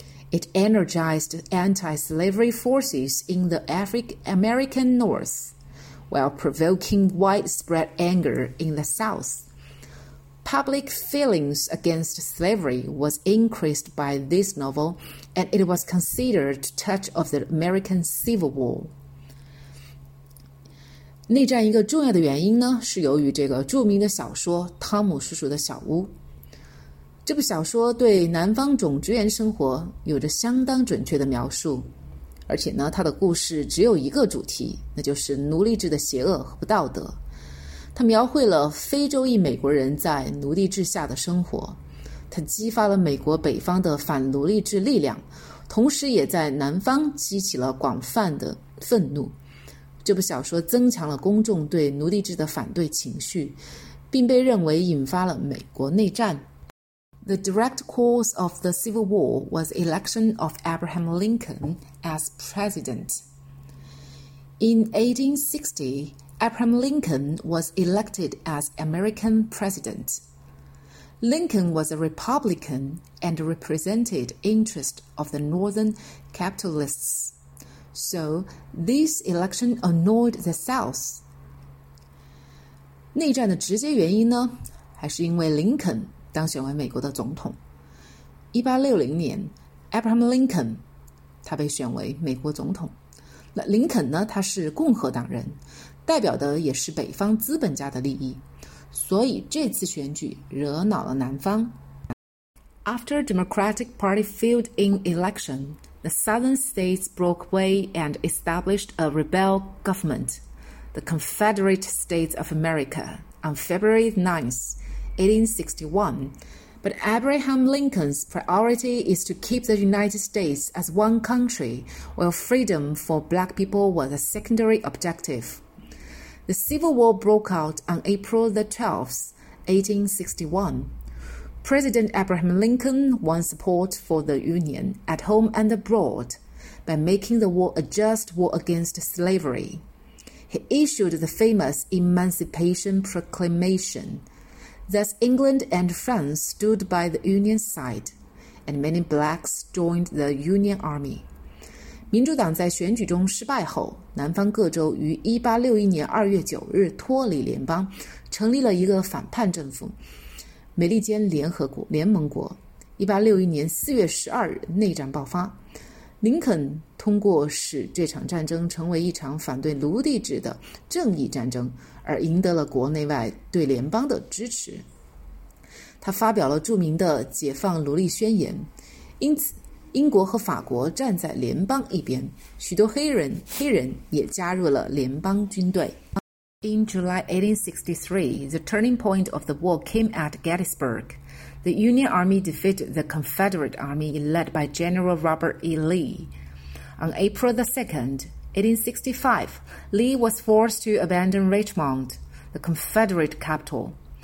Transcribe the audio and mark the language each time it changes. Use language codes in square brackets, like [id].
[en] It energized anti-slavery forces in the American North, while provoking widespread anger in the South. Public feelings against slavery was increased by this novel, and it was considered a touch of the American Civil War. [zh] 内战一个重要的原因呢，是由于这个著名的小说《汤姆叔叔的小屋》。这部小说对南方种植园生活有着相当准确的描述，而且呢，它的故事只有一个主题，那就是奴隶制的邪恶和不道德。它描绘了非洲裔美国人在奴隶制下的生活，它激发了美国北方的反奴隶制力量，同时也在南方激起了广泛的愤怒。这部小说增强了公众对奴隶制的反对情绪，并被认为引发了美国内战。 [en] The direct cause of the Civil War was the election of Abraham Lincoln as president. In 1860, Abraham Lincoln was elected as American president. Lincoln was a Republican and represented interests of the Northern capitalists. So, this election annoyed the South. [zh] 内战的直接原因呢，还是因为林肯当选为美国的总统。 1860年 ，Abraham Lincoln 他被选为美国总统。那林肯呢？他是共和党人，代表的也是北方资本家的利益，所以这次选举惹恼了南方。 [en] After Democratic Party failed in election, the Southern states broke away and established a rebel government, the Confederate States of America, on February 9th. 1861, but Abraham Lincoln's priority is to keep the United States as one country, while freedom for black people was a secondary objective. The Civil War broke out on April the 12th, 1861. President Abraham Lincoln won support for the Union at home and abroad by making the war a just war against slavery. He issued the famous Emancipation Proclamation. Thus, England and France stood by the Union side, and many blacks joined the Union Army. [zh] 民主党在选举中失败后，南方各州于1861年2月9日脱离联邦，成立了一个反叛政府，美利坚联合国联盟国。 1861年4月12日，内战爆发。林肯通过使这场战争成为一场反对奴隶制的正义战争，而赢得了国内外对联邦的支持。他发表了著名的《解放奴隶宣言》，因此英国和法国站在联邦一边，许多黑人也加入了联邦军队。 [en] In July 1863, the turning point of the war came at Gettysburg. The Union Army defeated the Confederate Army led by General Robert E. Lee. On April 2, 1865, Lee was forced to abandon Richmond, the Confederate capital.